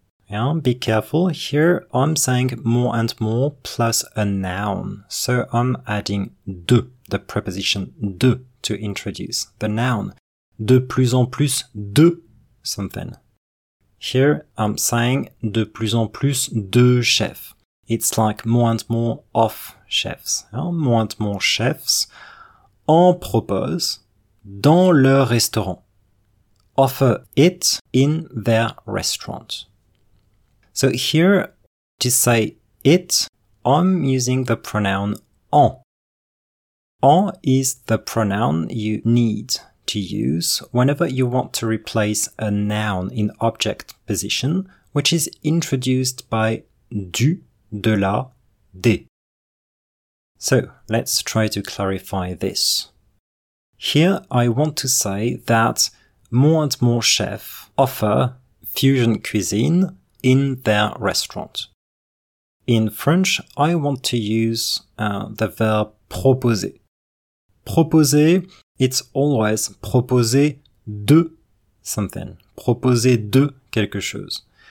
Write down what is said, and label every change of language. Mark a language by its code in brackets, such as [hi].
[en] Yeah, be careful, here I'm saying more and more plus a noun, so I'm adding de, the preposition de, to introduce the noun. [fr] De plus en plus de something. Here I'm saying de plus en plus de chefs. [en] It's like more and more of chefs. [fr] Hein? More and more chefs en proposent dans leur restaurant. [en] Offer it in their restaurant. So here, to say it, I'm using the pronoun en. En is the pronoun you need to use whenever you want to replace a noun in object position, which is introduced by du, de la, des. So let's try to clarify this. Here I want to say that more and more chefs offer fusion cuisine in their restaurant. In French, I want to use the verb proposer. Proposer, it's always proposer de something. [fr] Proposer de quelque chose.